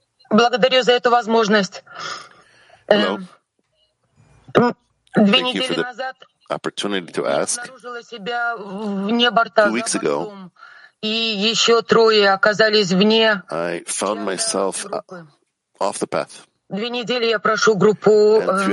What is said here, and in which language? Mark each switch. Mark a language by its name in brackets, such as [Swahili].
[Russian] Благодарю за эту возможность. [English] Hello. Two weeks ago, I found myself off the path. [Russian] Две недели я прошу группу